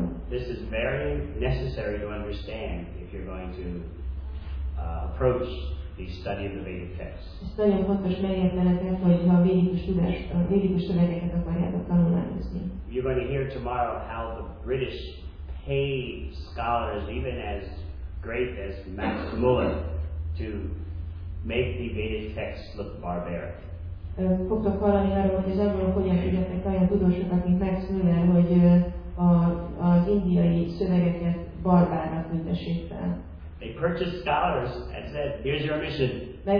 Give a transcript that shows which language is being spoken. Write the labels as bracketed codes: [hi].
[en] This is very necessary to understand if you're going to approach the study of the Vedic texts. [hu] Ez nagyon fontos megértenetek, hogy a védikus tudást, a védikus szövegeket akarjátok tanulmányozni. [en] You're going to hear tomorrow how the British paid scholars, even as great as Max Müller, to make the Vedic texts look barbaric. [hu] Fogtok hallani arról, hogy az angolok hogyan fizettek olyan tudósokat, mint Max Müller, hogy az indiai szövegeket barbárnak tüntessék fel. [en] They purchased scholars and said, here's your mission.